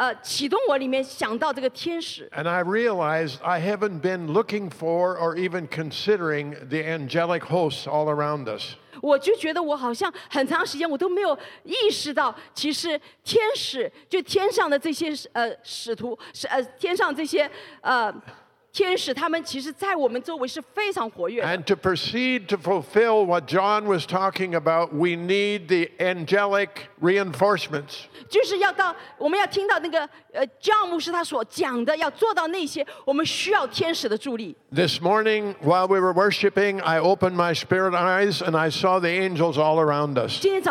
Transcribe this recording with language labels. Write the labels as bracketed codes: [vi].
[zh] 那这个周呢,神好像在我的里面,他就来,在我的里面来,启动我里面想到这个天使。 [en] And I realized I haven't been looking for or even considering the angelic hosts all around us. [zh] 我就觉得我好像很长时间我都没有意识到,其实天使,就天上的这些使徒,天上这些... [en] And to proceed to fulfill what John was talking about, we need the angelic reinforcements. [zh] 就是要到我们要听到那个John牧师他所讲的，要做到那些，我们需要天使的助力。 [en] This morning, while we were worshiping, I opened my spirit eyes and I saw the angels all around us.